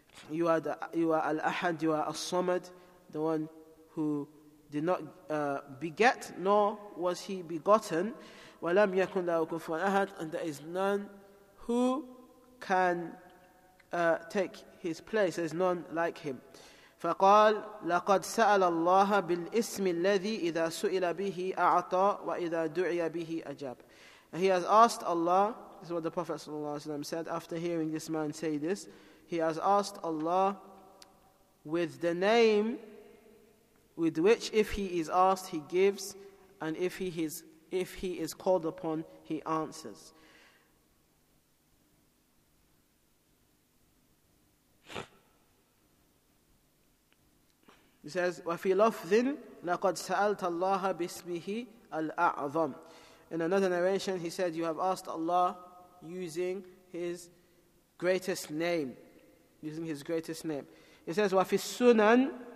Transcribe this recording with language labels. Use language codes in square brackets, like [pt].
[en] You are Al-Ahad, you are As-Samad, the one who did not beget, nor was he begotten. [ar] وَلَمْ يَكُنْ لَهُ كُفُوًا أَحَدٌ. [en] And there is none who can take his place, there is none like him. [ar] فقال لقد سأل الله بالاسم الذي إذا سئل به أعطى وإذا دعي به أجاب. [en] He has asked Allah, this is what the Prophet ﷺ said after hearing this man say this, he has asked Allah with the name with which if he is asked he gives, and if he is called upon he answers. He says, [ar] وَفِي لَفْذٍ لَقَدْ سَأَلْتَ اللَّهَ بِاسْمِهِ الْأَعْظَمِ. [en] In another narration, he said, you have asked Allah using His greatest name. Using His greatest name. He says, [ar] وَفِي السُّنَنْ.